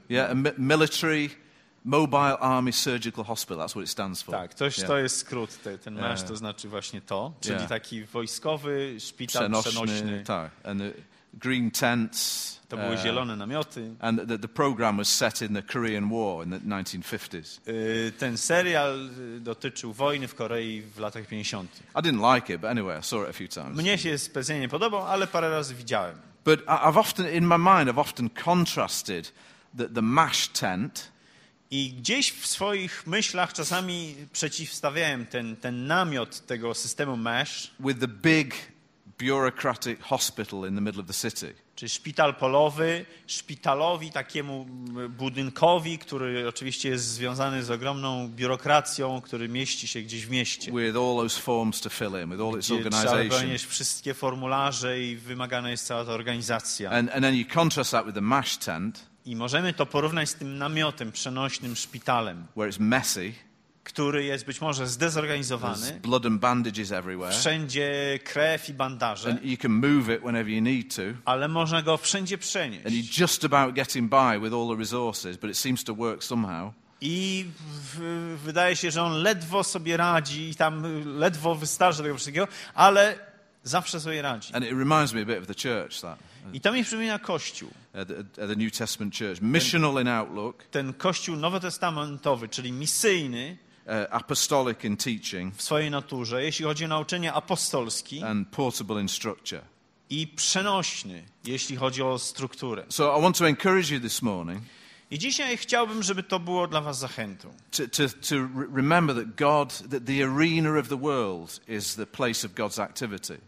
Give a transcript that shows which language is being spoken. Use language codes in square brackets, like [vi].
[en] Yeah, military Mobile Army Surgical Hospital, that's what it stands for. [pl] Tak, toś, yeah. To jest skrót, ten MASH, yeah. To znaczy właśnie to, czyli yeah. Taki wojskowy szpital przenośny. Tak, [en] and the green tents. [pl] To były zielone namioty. [en] And the program was set in the Korean War in the 1950s. [pl] Ten serial dotyczył wojny w Korei w latach 50. [en] I didn't like it, but anyway, I saw it a few times. [pl] Mnie się specjalnie nie podobał, ale parę razy widziałem. [en] But I've often, in my mind, I've often contrasted the MASH tent. [pl] I gdzieś w swoich myślach czasami przeciwstawiałem ten namiot tego systemu MASH [en] with the big bureaucratic hospital in the middle of the city. [pl] Czy szpital polowy, szpitalowi takiemu budynkowi, który oczywiście jest związany z ogromną biurokracją, który mieści się gdzieś w mieście. [en] With all those forms to fill in, with all its organization. [pl] Gdzie trzeba wypełnić wszystkie formularze i wymagana jest cała ta organizacja. [en] And then you contrast that with the MASH tent. [pl] I możemy to porównać z tym namiotem przenośnym szpitalem, [en] where it's messy, [pl] który jest być może zdezorganizowany. [en] There's blood and bandages everywhere. [pl] Wszędzie krew i bandaże. [en] And you can move it whenever you need to. [pl] Ale można go wszędzie przenieść. [en] And you're just about getting by with all the resources, but it seems to work somehow. [pl] I wydaje się, że on ledwo sobie radzi i tam ledwo wystarczy tego wszystkiego, ale zawsze sobie radzi. [en] And it reminds me a bit of the church, that. [pl] I to mi przypomina Kościół. [en] The New Testament Church, missional in outlook. [pl] Ten Kościół nowotestamentowy, czyli misyjny. [en] Apostolic in teaching. [pl] W swojej naturze, jeśli chodzi o nauczenie apostolskie. [en] And portable in structure. [pl] I przenośny, jeśli chodzi o strukturę. [en] So I want to encourage you this morning. [pl] I dzisiaj chciałbym, żeby to było dla was zachętą. [en] To remember that God, that the arena of the world is the place of God's activity.